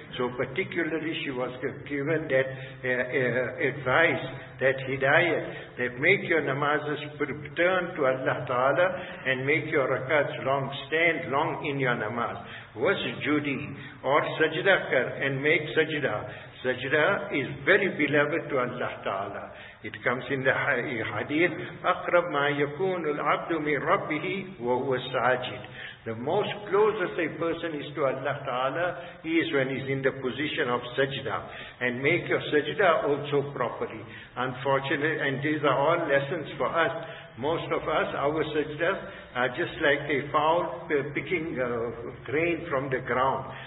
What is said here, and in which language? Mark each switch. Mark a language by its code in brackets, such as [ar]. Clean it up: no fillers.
[en] So particularly she was given that advice, that hidayat, that make your namazes turn to Allah Ta'ala and make your rakats long, stand long in your namaz. Was judi, or sajda kar and make sajda. Sajda is very beloved to Allah Ta'ala. It comes in the hadith, [ar] أَقْرَبْ مَا يَكُونُ الْعَبْدُ مِنْ رَبِّهِ وَهُوَ السَّعَجِدُ. [en] The most closest a person is to Allah Ta'ala is when he's in the position of sajda. And make your sajda also properly. Unfortunately, and these are all lessons for us. Most of us, our sajdas are just like a fowl picking grain from the ground.